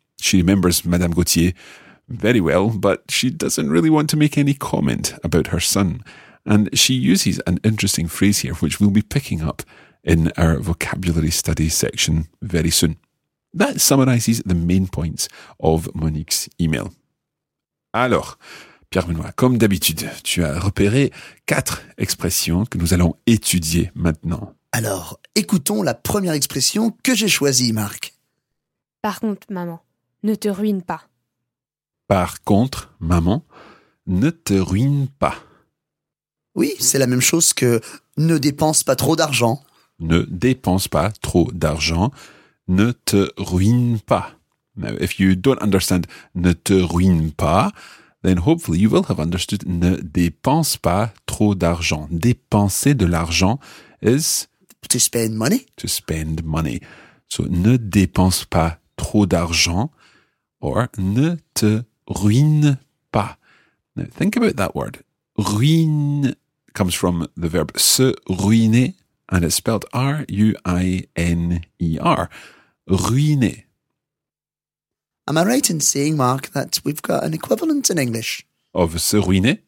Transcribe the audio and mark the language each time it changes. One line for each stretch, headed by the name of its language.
English: She remembers Madame Gauthier very well, but she doesn't really want to make any comment about her son. And she uses an interesting phrase here, which we'll be picking up in our vocabulary study section very soon. That summarizes the main points of Monique's email.
French: Alors, Pierre-Benoît, comme d'habitude, tu as repéré quatre expressions que nous allons étudier maintenant. Alors, écoutons la première expression que j'ai choisie, Marc. Par contre, maman, ne te ruine pas. Par contre, maman, ne te ruine pas. Oui, c'est la même chose que ne dépense pas trop d'argent. Ne dépense pas trop d'argent, ne te ruine pas.
English: Now, if you don't understand
French: ne te ruine pas,
English: then hopefully you will have understood
French: ne dépense pas trop d'argent. Dépenser de l'argent is...
English: To spend money. To spend money.
French: So, ne dépense pas trop d'argent or ne te ruine pas.
English: Now, think about that word. Ruine comes from the verb se ruiner and it's spelled R-U-I-N-E-R.
French: Ruiner.
English: Am I right in saying, Mark, that we've got an equivalent in English?
French: Of se ruiner?